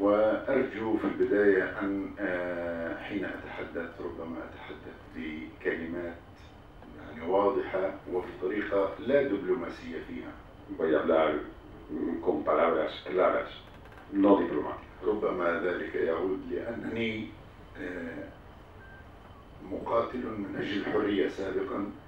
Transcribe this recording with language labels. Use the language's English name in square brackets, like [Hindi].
[Arabic] وأرجو في البداية أن حين أتحدث ربما أتحدث بكلمات يعني واضحة وفي طريقة لا دبلوماسية فيها. [Spanish] Voy a hablar con palabras claras, no diplomáticas. [Arabic] ربما ذلك يعود لأنني مقاتل من أجل الحرية سابقا.